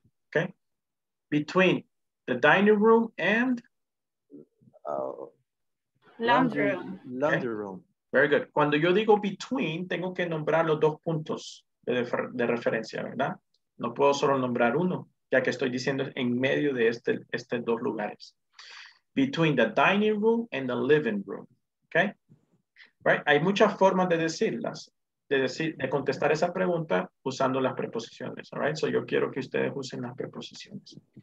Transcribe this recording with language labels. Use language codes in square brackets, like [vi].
[en] Okay. Between the dining room and? Laundry room. Okay. Very good. [es] Cuando yo digo between, tengo que nombrar los dos puntos de referencia, ¿verdad? No puedo solo nombrar uno, ya que estoy diciendo en medio de estos dos lugares. [en] Between the dining room and the living room. Okay. Right. [es] Hay muchas formas de decirlas, de contestar esa pregunta usando las preposiciones. [en] All right. [es] So yo quiero que ustedes usen las preposiciones.